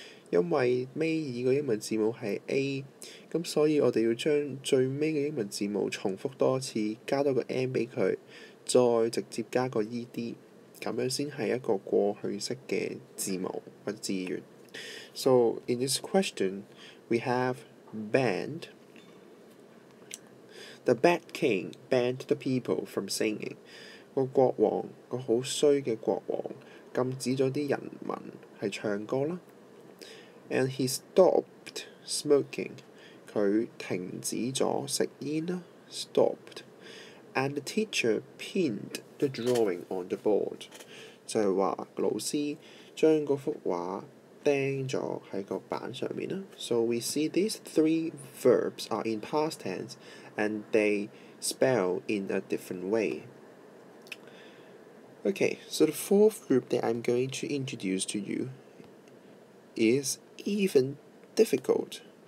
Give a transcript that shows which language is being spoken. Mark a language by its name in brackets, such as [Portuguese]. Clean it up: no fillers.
[Cantonese] 因為尾二個英文字母係 A， 咁所以我哋要將最尾嘅英文字母重複多次，加多個 N 俾佢，再直接加個 ED， 咁樣先係一個過去式嘅字母或者字元。 [English] So in this question, we have banned the bad king banned the people from singing。 [Cantonese] 個國王個好衰嘅國王禁止咗啲人民係唱歌啦。 [English] And he stopped smoking. [Cantonese] 佢停止咗食煙啦。 [English] Stopped. And the teacher pinned the drawing on the board. [Cantonese] 就係話老師將嗰幅畫釘咗喺個板上面啦。 [English] So we see these three verbs are in past tense, and they spell in a different way. Okay. So the fourth group that I'm going to introduce to you is even difficult.